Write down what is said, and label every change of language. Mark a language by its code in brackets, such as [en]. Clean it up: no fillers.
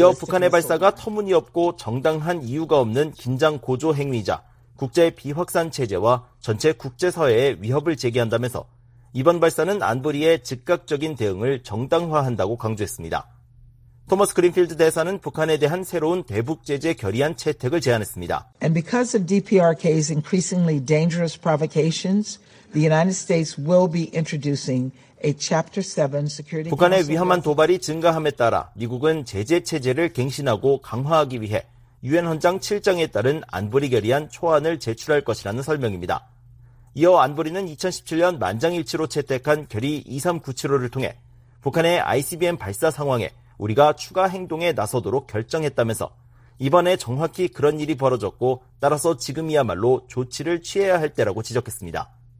[ko] 이어 북한의 발사가 터무니없고 정당한 이유가 없는 긴장 고조 행위자 국제 비확산 체제와 전체 국제사회에 위협을 제기한다면서 이번 발사는 안보리의 즉각적인 대응을 정당화한다고 강조했습니다. 토머스 그린필드 대사는 북한에 대한 새로운 대북제재 결의안 채택을 제안했습니다. [en] And because of DPRK's increasingly dangerous provocations, the United States will be introducing a Chapter 7 Security. [ko] 북한의 위험한 도발이 증가함에 따라 미국은 제재 체제를 갱신하고 강화하기 위해 유엔 헌장 7장에 따른 안보리 결의안 초안을 제출할 것이라는 설명입니다. 이어 안보리는 2017년 만장일치로 채택한 결의 2397호를 통해 북한의 ICBM 발사 상황에 우리가 추가 행동에 나서도록 결정했다면서 이번에 정확히 그런 일이 벌어졌고 따라서 지금이야말로 조치를 취해야 할 때라고 지적했습니다.